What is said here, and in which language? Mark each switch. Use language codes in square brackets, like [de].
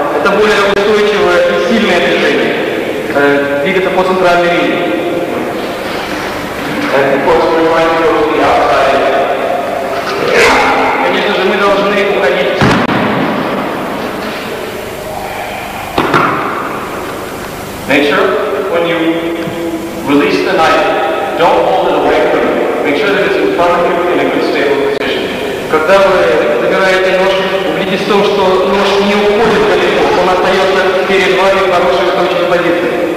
[ru] Это более устойчивое и сильное движение. Двигаться по центральной линии. [en] And of course we want to go to the outside. [ru] Конечно же, мы должны уходить. [en] Make sure when you release the knife, don't hold it away from you. Make sure that it's in front of you in a good stable position. [ru] Когда вы забираете нож, убедитесь в том, что нож не уходит далеко. Он остается перед вами в хорошей точке позиции.